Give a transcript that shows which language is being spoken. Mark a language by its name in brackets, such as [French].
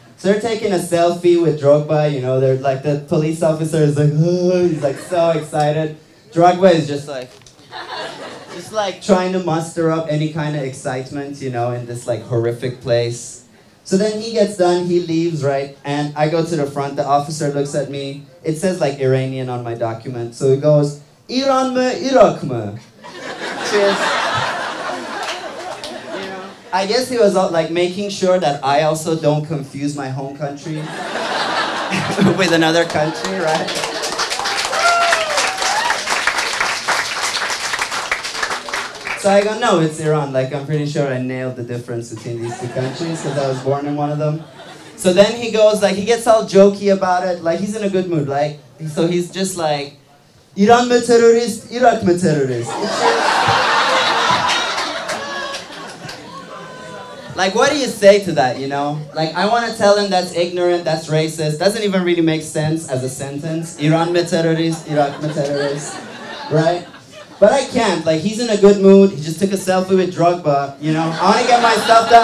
[English] So they're taking a selfie with Drogba, you know, they're like, the police officer is like, ugh, he's like so excited. Drogba is just like trying to muster up any kind of excitement, you know, in this like horrific place. So then he gets done, he leaves, right? And I go to the front, the officer looks at me. It says like Iranian on my document. So he goes, [Turkish] İran mı, Irak mı? [English] Cheers. I guess he was like making sure that I also don't confuse my home country with another country, right? So I go, no, it's Iran. Like, I'm pretty sure I nailed the difference between these two countries because I was born in one of them. So then he goes, like, he gets all jokey about it. Like, he's in a good mood. Like, so he's just like, [Turkish] İran mı terörist, Irak mı terörist? [English] Like, what do you say to that, you know? Like, I want to tell him that's ignorant, that's racist. Doesn't even really make sense as a sentence. Iran me terrorist, Iraq me terrorist. Right? But I can't. Like, he's in a good mood. He just took a selfie with Drogba, you know? I want to get my stuff done.